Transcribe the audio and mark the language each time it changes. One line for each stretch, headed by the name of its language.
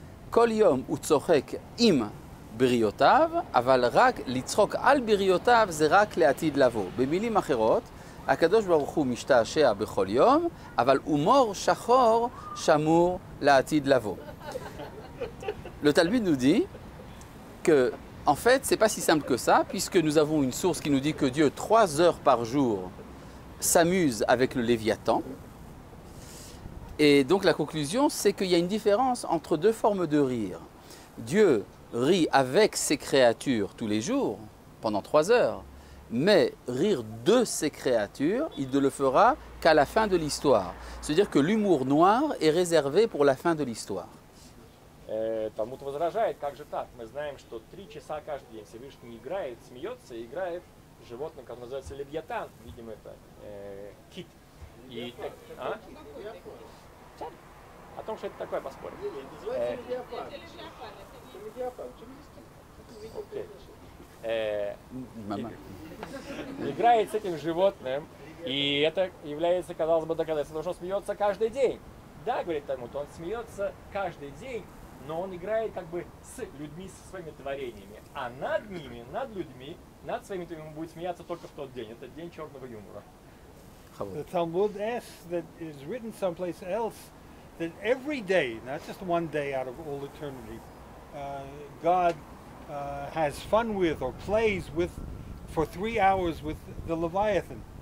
Hebrew: כל יום הוא צוחק עם בריאותיו, אבל רק לצחוק על בריאותיו זה רק לעתיד לבוא. במילים אחרות, הקדוש ברוך הוא משתעשע בכל יום, אבל הומור שחור שמור לעתיד לבוא.
French: Le Talmud nous dit que... En fait, c'est pas si simple que ça, puisque nous avons une source qui nous dit que Dieu, 3 heures par jour, s'amuse avec le Léviathan. Et donc la conclusion, c'est qu'il y a une différence entre deux formes de rire. Dieu rit avec ses créatures tous les jours, pendant 3 heures, mais rire de ses créatures, il ne le fera qu'à la fin de l'histoire. C'est-à-dire que l'humour noir est réservé pour la fin de l'histoire.
Russian: Талмуд возражает, как же так? Мы знаем, что 3 часа каждый день Всевышний играет, смеется, играет животное, которое называется Левиатан, видимо, это кит. О том, что это такое, поспорим. Нет, называется Левиафан. Играет с этим животным, и это является, казалось бы, доказательством, что он смеется каждый день. Да, говорит Талмуд, он смеется каждый день, но он играет как бы с людьми, со своими творениями. А над ними, над людьми, над своими творениями будет смеяться только в тот день. Это день черного юмора.
English: The Talmud asks that is written someplace else that every day, not just one day out of all eternity, God has fun with or plays with for 3 hours with the Leviathan.